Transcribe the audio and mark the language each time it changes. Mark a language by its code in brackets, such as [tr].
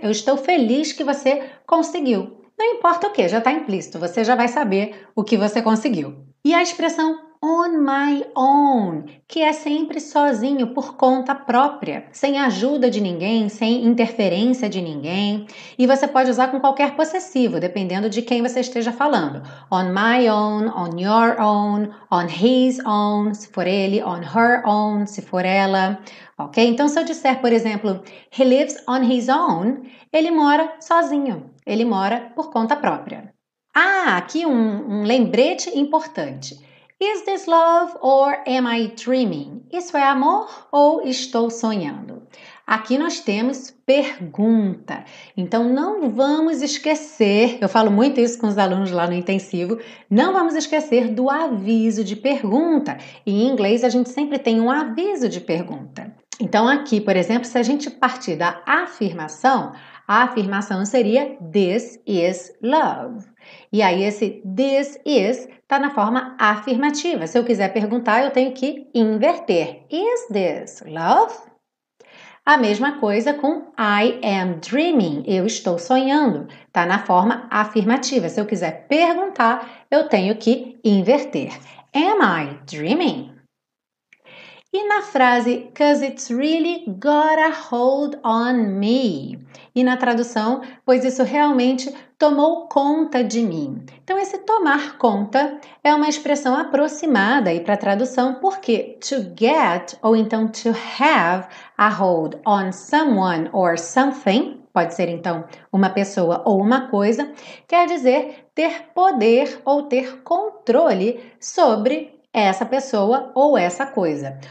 [pt] Eu estou feliz que você conseguiu. Não importa o que, já está implícito, você já vai saber o que você conseguiu. E a expressão [en] on my own, [pt] que é sempre sozinho, por conta própria, sem ajuda de ninguém, sem interferência de ninguém. E você pode usar com qualquer possessivo, dependendo de quem você esteja falando. [en] On my own, on your own, on his own, [pt] se for ele, [en] on her own, [pt] se for ela. Ok? Então, se eu disser, por exemplo, [en] he lives on his own, [pt] ele mora sozinho, ele mora por conta própria. Ah, aqui um lembrete importante. [en] Is this love or am I dreaming? [pt] Isso é amor ou estou sonhando? Aqui nós temos pergunta. Então, não vamos esquecer, eu falo muito isso com os alunos lá no intensivo, não vamos esquecer do aviso de pergunta. Em inglês, a gente sempre tem um aviso de pergunta. Então, aqui, por exemplo, se a gente partir da afirmação, a afirmação seria [en] this is love. [pt] E aí, esse [en] this is [pt] está na forma afirmativa. Se eu quiser perguntar, eu tenho que inverter. [en] Is this love? [pt] A mesma coisa com [en] I am dreaming. Eu estou sonhando. [pt] Está na forma afirmativa. Se eu quiser perguntar, eu tenho que inverter. [en] Am I dreaming? [pt] E na frase, [en] 'cause it's really got a hold on me. [pt] E na tradução, pois isso realmente tomou conta de mim. Então, esse tomar conta é uma expressão aproximada aí para a tradução, porque to get ou então [en] to have a hold on someone or something, [pt] pode ser então uma pessoa ou uma coisa, quer dizer ter poder ou ter controle sobre essa pessoa ou essa coisa.